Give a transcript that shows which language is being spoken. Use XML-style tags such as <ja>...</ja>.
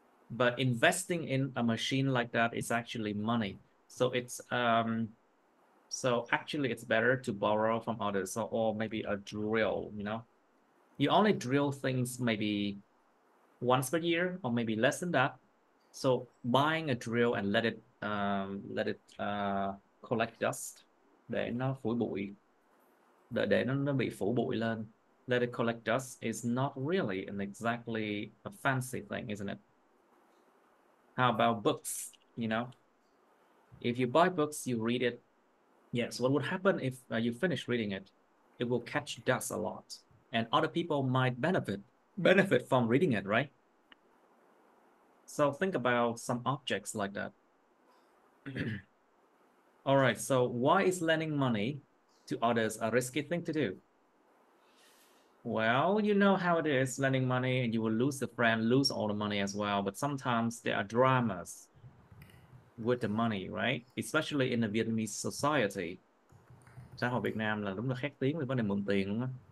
<en>But investing in a machine like that is actually money. So it's so actually it's better to borrow from others, or maybe a drill, you know? You only drill things maybe once per year or maybe less than that. So buying a drill and let it collect dust,</en> <vi>để nó phủ bụi, để nó bị phủ bụi lên.</vi> <en>Let it collect dust is not really an exactly a fancy thing, isn't it? How about books, you know? If you buy books, you read it. Yes, what would happen if you finish reading it? It will catch dust a lot. And other people might benefit from reading it, right? So think about some objects like that. All right, so why is lending money to others a risky thing to do? Well, you know how it is, lending money and you will lose a friend, lose all the money as well. But sometimes there are dramas with the money, right? Especially in the Vietnamese society.</en> <vi>Xã hội Việt Nam là đúng là khét tiếng về vấn đề mượn tiền luôn á.</vi>